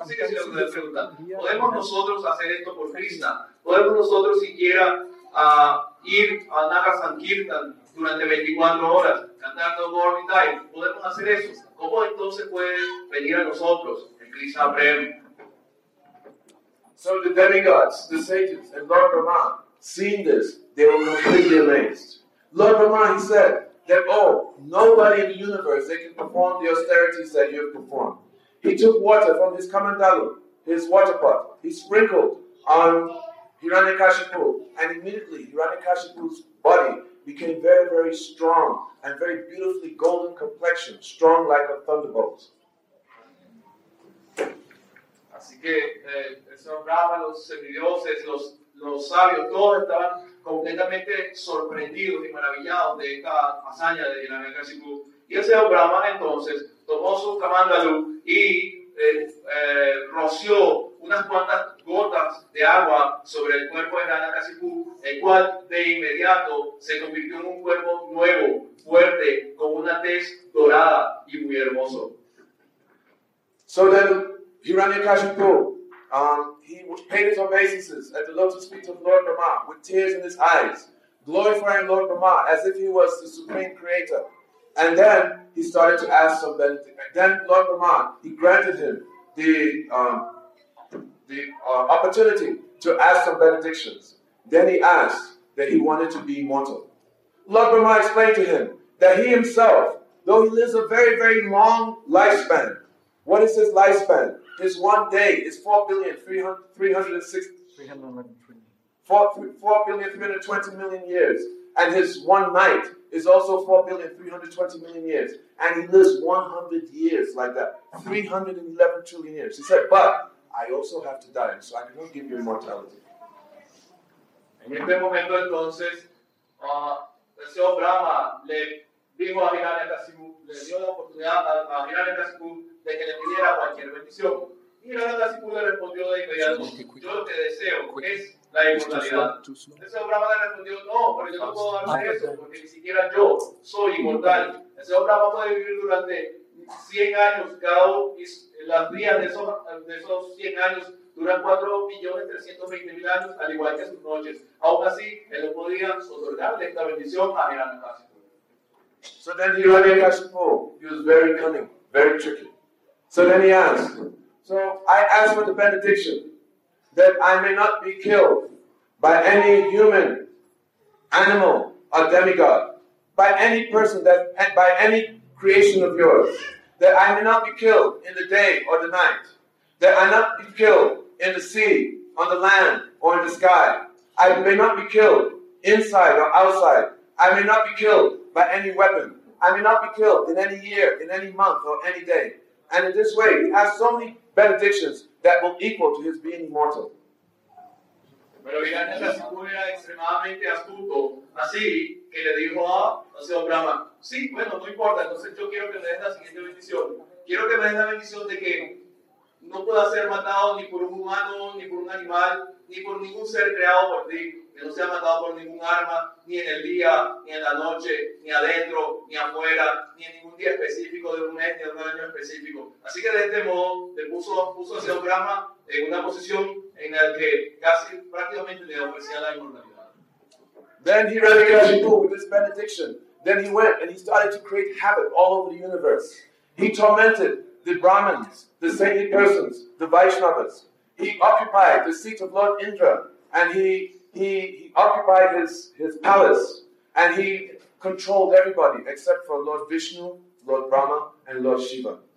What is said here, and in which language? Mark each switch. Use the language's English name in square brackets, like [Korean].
[Spanish] Así que si lo que pregunta, ¿podemos nosotros hacer esto por Krishna? ¿Podemos nosotros siquiera ir a Nagar Sankirtan durante 24 horas cantando Gauri Dai? ¿Podemos hacer eso? ¿Cómo entonces puede venir a nosotros el Krishna Prem? [English] So the demigods, the sages, and Lord Brahma, seeing this, they were completely amazed. Lord Brahma, he said, that nobody in the universe, they can perform the austerities that you have performed. He took water from his kamandalu, his water pot, he sprinkled on Hiranyakashipu, and immediately Hiranyakashipu's body became very, very strong and very beautifully golden complexion, strong like a thunderbolt. [Spanish] Así que el señor Brahma, los semidioses, los sabios, todos estaban completamente sorprendidos y maravillados de esta hazaña de Hiranyakashipu. Y el señor Brahma entonces tomó su kamandalu y roció unas cuantas gotas de agua sobre el cuerpo de Hiranyakashipu, el cual de inmediato se convirtió en un cuerpo nuevo, fuerte, con una tez dorada y muy hermoso. [English] So then, Hiranyakashipu, he paid his obeisances at the lotus feet of Lord Brahma with tears in his eyes, glorifying Lord Brahma as if he was the supreme creator. And then he started to ask some benefit. And then Lord Brahma, he granted him the opportunity to ask some benedictions. Then he asked that he wanted to be immortal. Lord Brahma explained to him that he himself, though he lives a very, very long lifespan, what is his lifespan? His one day is 4,320,000,000 years. And his one night is also 4,320,000,000 years. And he lives 100 years like that. 311 trillion years. He said, but I also have to die, so I cannot give you immortality. [Spanish] En este momento entonces, el señor Brahma le dijo a Hiranyakashipu, le dio la oportunidad a Hiranyakashipu de que le pidiera cualquier bendición. Y Hiranyakashipu le respondió de inmediato, yo lo que deseo es la inmortalidad. El señor Brahma le respondió, no, pero yo no puedo darle eso, porque ni siquiera yo soy inmortal. El señor Brahma puede vivir durante 100 años, cada uno, las días de esos 100 años duran 4,320,000 años, al igual que sus noches. Aún así, él no podía otorgarle esta bendición a Hiranyakashipu. [English] So then Hiranyakashipu, he was very cunning, very tricky. So then he asked, so I ask for the benediction that I may not be killed. by any human, animal, or demigod, by any person, that by any creation of yours, that I may not be killed in the day or the night, that I not be killed in the sea, on the land, or in the sky. I may not be killed inside or outside. I may not be killed by any weapon. I may not be killed in any year, in any month, or any day. And in this way, he has so many benedictions that will equal to his being immortal. [Spanish] Pero Hiranyaka era extremadamente astuto, así que le dijo a Señor Brahma, sí, bueno, no importa, entonces yo quiero que me des la siguiente bendición. Quiero que me des la bendición de que no pueda ser matado ni por un humano, ni por un animal, ni por ningún ser creado por ti, que no sea matado por ningún arma, ni en el día, ni en la noche, ni adentro, ni afuera, ni en ningún día específico de un mes, ni de un año específico. Así que de este modo, le puso a Señor Brahma en una posición en el que casi prácticamente le ofrecía la inmortalidad. [English] Then he ran again to with this benediction. Then he went and he started to create havoc all over the universe. He tormented the Brahmins, the saintly persons, the Vaishnavas. He occupied the seat of Lord Indra, and he occupied his palace, and he controlled everybody except for Lord Vishnu, Lord Brahma, and Lord Shiva.